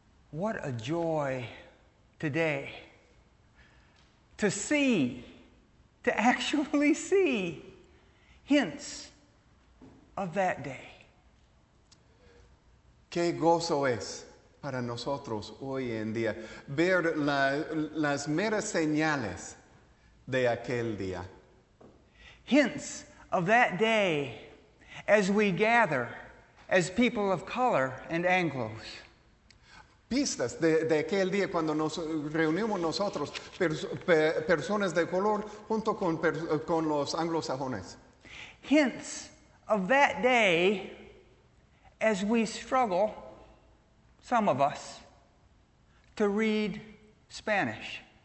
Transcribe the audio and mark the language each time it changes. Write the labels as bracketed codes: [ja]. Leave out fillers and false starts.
[en] What a joy today to see, to actually see hints of that day. [es] Qué gozo es para nosotros hoy en día ver las meras señales de aquel día. [en] Hints of that day as we gather as people of color and Anglos. [es] Pistas de aquel día cuando nos reunimos nosotros, personas de color, junto con los anglosajones. [en] Hints of that day as we struggle, some of us, to read Spanish.